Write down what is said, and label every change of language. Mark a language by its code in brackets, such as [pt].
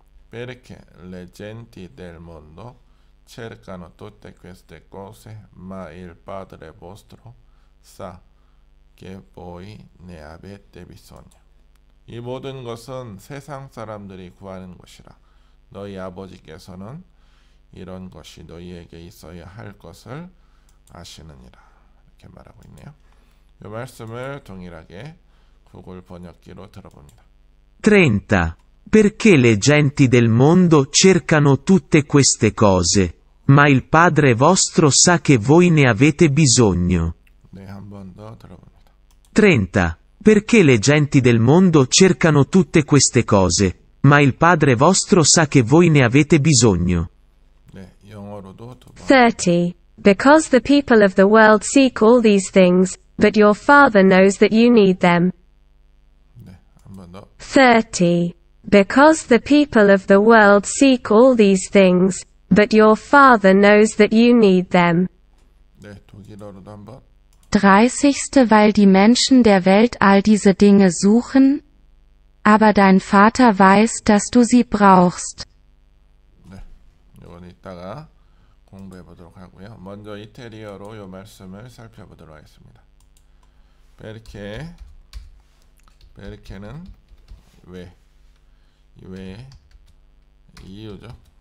[it] Perché le genti del mondo cercano tutte queste cose, ma il Padre vostro sa che voi ne avete bisogno. [ko] 이 모든 것은 세상 사람들이 구하는 것이라. 너희 아버지께서는 이런 것이 너희에게 있어야 할 것을 아시느니라. 이렇게 말하고 있네요. 이 말씀을 동일하게 구글 번역기로 들어봅니다. [it] 30. Perché le genti del mondo cercano tutte queste cose, ma il Padre vostro sa che voi ne avete bisogno. [ko] 네, 한 번 더 들어봅니다. [it] 30. Perché le genti del mondo cercano tutte queste cose, ma il Padre vostro sa che voi ne avete bisogno. [ko] 네, 영어로도 두 번. 30. [en] Because the people of the world seek all these things, but your Father knows that you need them. [ko] 네, 한 번 더. [en] 30. Because the people of the world seek all these things, but your Father knows that you need them. [ko] 네, 독일어로도 한 번. [de] 30. Weil die Menschen der Welt all diese Dinge suchen, aber dein Vater weiß, dass du sie brauchst. [ko] 네, 이건 이따가 공부해보도록 하고요. 먼저 이태리어로 이 말씀을 살펴보도록 하겠습니다. Perché? Perché는 왜? 왜? 이유죠.